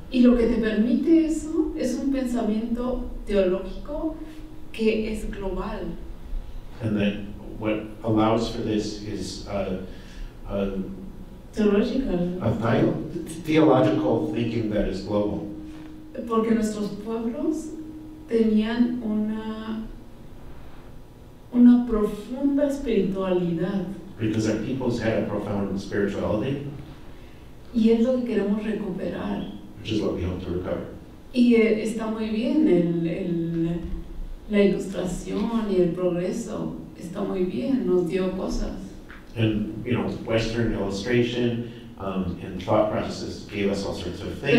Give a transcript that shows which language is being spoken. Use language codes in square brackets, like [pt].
[es] Y lo que te permite eso es un pensamiento teológico que es global. [en] And that what allows for this is a Theological. A title? Theological thinking that is global. [es] Porque nuestros pueblos tenían una profunda espiritualidad. [en] Because our peoples had a profound spirituality. [es] Y es lo que queremos recuperar. [en] Which is what we hope to recover. [es] Y está muy bien la ilustración y el progreso. Está muy bien, nos dio cosas. [en] And, you know, Western illustration and thought processes gave us all sorts of things.